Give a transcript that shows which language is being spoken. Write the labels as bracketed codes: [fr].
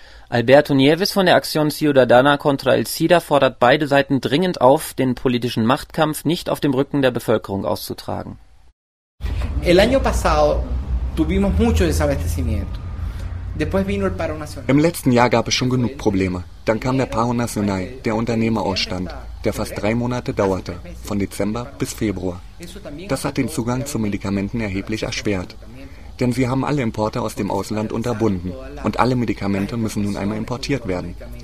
[de] Alberto Nieves von der Aktion Ciudadana contra el SIDA fordert beide Seiten dringend auf, den politischen Machtkampf nicht auf dem Rücken der Bevölkerung auszutragen. [es] El año pasado tuvimos mucho desabastecimiento. Después vino el paro nacional. [de] Im letzten Jahr gab es schon genug Probleme. Dann kam der Paro Nacional, der Unternehmerausstand, der fast 3 Monate dauerte, von Dezember bis Februar. Das hat den Zugang zu Medikamenten erheblich erschwert. Denn sie haben alle Importe aus dem Ausland unterbunden und alle Medikamente müssen nun einmal importiert werden.